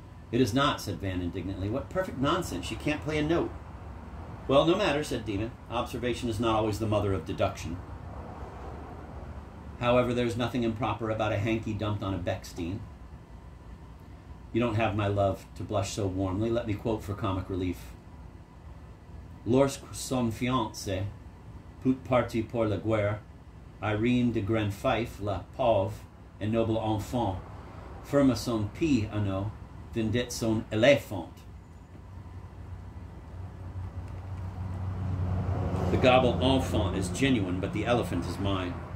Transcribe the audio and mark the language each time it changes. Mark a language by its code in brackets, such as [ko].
[en] It is not, said Van indignantly. What perfect nonsense. She can't play a note. Well, no matter, said Demon. Observation is not always the mother of deduction. However, there's nothing improper about a hanky dumped on a Bechstein. You don't have my love to blush so warmly. Let me quote for comic relief. [fr] Lorsque son fiancé, put parti pour la guerre, Irene de Grand Fife, la pauvre, et noble enfant, ferma son piano, vendit son éléphant. [en] The gobble enfant is genuine, but the elephant is mine.